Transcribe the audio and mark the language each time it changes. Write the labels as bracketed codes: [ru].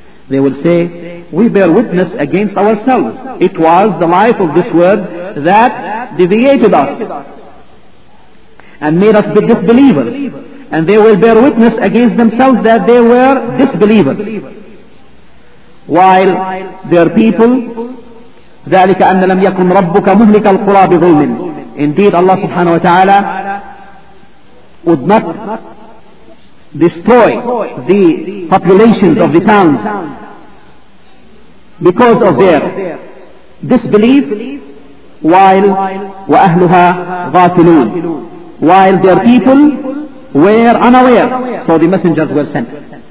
[en] They will say, we bear witness against ourselves. It was the life of this world that deviated us and made us be disbelievers. And they will bear witness against themselves that they were disbelievers. While their people, [ar] ذلك أن لم يكن ربك مهلك القرى بظلم. [en] Indeed, Allah subhanahu wa ta'ala would not destroy the populations of the towns because of their disbelief, while [ar] وأهلها غافلون, [en] while their people were unaware, so the messengers were sent.